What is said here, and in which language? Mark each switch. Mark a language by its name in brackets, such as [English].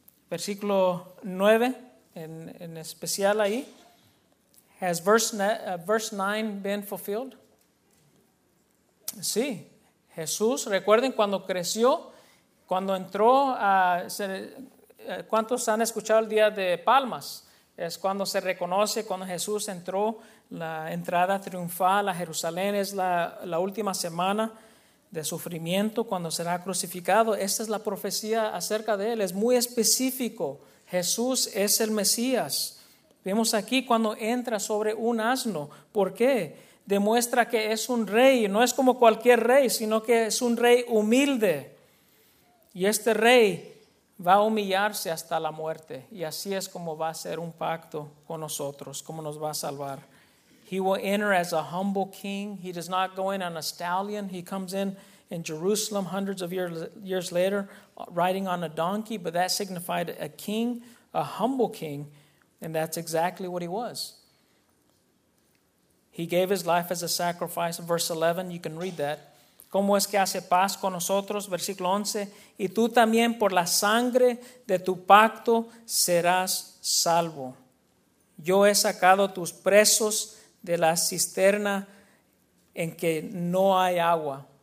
[Spanish] Versículo 9, en especial ahí. [English] Has verse 9 been fulfilled? [Spanish] Sí. Jesús, recuerden cuando creció, cuando entró a... ¿Cuántos han escuchado el Día de Palmas? Es cuando se reconoce, cuando Jesús entró, la entrada triunfal a Jerusalén, es la última semana de sufrimiento, cuando será crucificado. Esta es la profecía acerca de él. Es muy específico. Jesús es el Mesías. Vemos aquí cuando entra sobre un asno. ¿Por qué? Demuestra que es un rey. No es como cualquier rey, sino que es un rey humilde. Y este rey va a humillarse hasta la muerte. Y así es como va a hacer un pacto con nosotros, como nos va a salvar. [English] He will enter as a humble king. He does not go in on a stallion. He comes in Jerusalem hundreds of years later, riding on a donkey. But that signified a king, a humble king. And that's exactly what he was. He gave his life as a sacrifice. Verse 11, you can read that. [Spanish] ¿Cómo es que hace paz con nosotros? Versículo 11. Y tú también por la sangre de tu pacto serás salvo. Yo he sacado tus presos de la cisterna en que no hay agua.